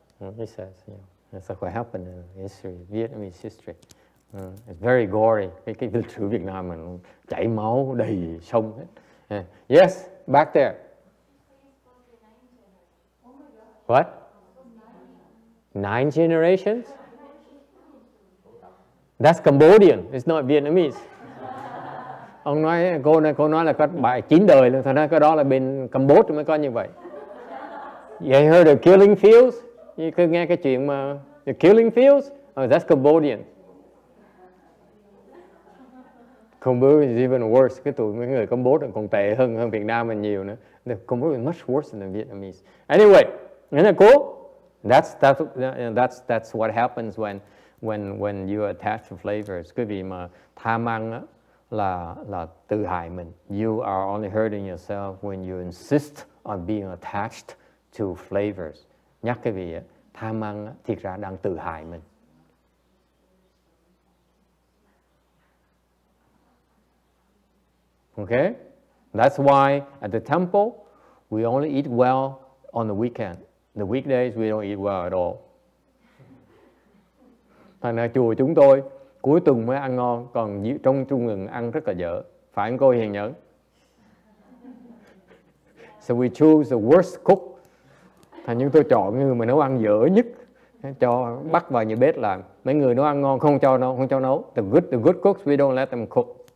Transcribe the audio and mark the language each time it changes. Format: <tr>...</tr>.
<en>Well, he says, yeah, that's like what happened in history, Vietnamese history. It's very gory.</en> <vi>Cái lịch sử Việt Nam mình chảy máu đầy sông hết.</vi> <en>Yes, back there. What? Nine generations? That's Cambodian. It's not Vietnamese.</en> <vi>Ông nói cô này cô nói là có bài chín đời luôn. Thật ra cái đó là bên Cambodia mới có như vậy.</vi> <en>You heard of Killing Fields? You</en> <vi>cứ nghe cái chuyện mà</vi> <en>the Killing Fields? Oh, that's Cambodian. Cambodia is even worse.</en> <vi>Cái tụi mấy người Cambodia còn tệ hơn hơn Việt Nam mình nhiều nữa.</vi> <en>Cambodia is much worse than the Vietnamese. Anyway, isn't that cool? That's what happens when you attach to flavors.</en> <vi>Quý vị mà tham ăn là tự hại mình.</vi> <en>You are only hurting yourself when you insist on being attached to flavors.</en> <vi>Nhắc quý vị, tham ăn thiệt ra đang tự hại mình.</vi> <en>Okay, that's why at the temple we only eat well on the weekend. The weekdays we don't eat well at all.</en> <vi>Thành ra chùa chúng tôi cuối tuần mới ăn ngon, còn trong trung tuần ăn rất là dở. Phải không cô Hiền Nhẫn?</vi> <en>So we choose the worst cook.</en> <vi>Thành chúng tôi chọn người mà nấu ăn dở nhất, cho bắt vào nhà bếp làm. Mấy người nấu ăn ngon không cho nấu, không cho nấu.</vi> <en>The good cooks we don't let them cook.</en>